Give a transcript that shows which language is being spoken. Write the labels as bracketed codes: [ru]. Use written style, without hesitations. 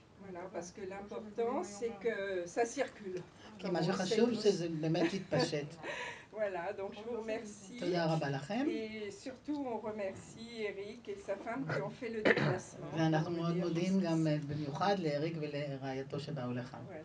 [fr] Voilà, parce que l'important c'est que ça circule. [he] כי מה שחשוב שזה באמת יתפשט. [fr] Voilà, donc je vous remercie. [he] תודה רבה לכם. [fr] Et surtout on remercie Eric et sa femme qui ont fait le déplacement. [he] ואנחנו מאוד מודים גם במיוחד לאריק ולרעייתו שבאו לכאן.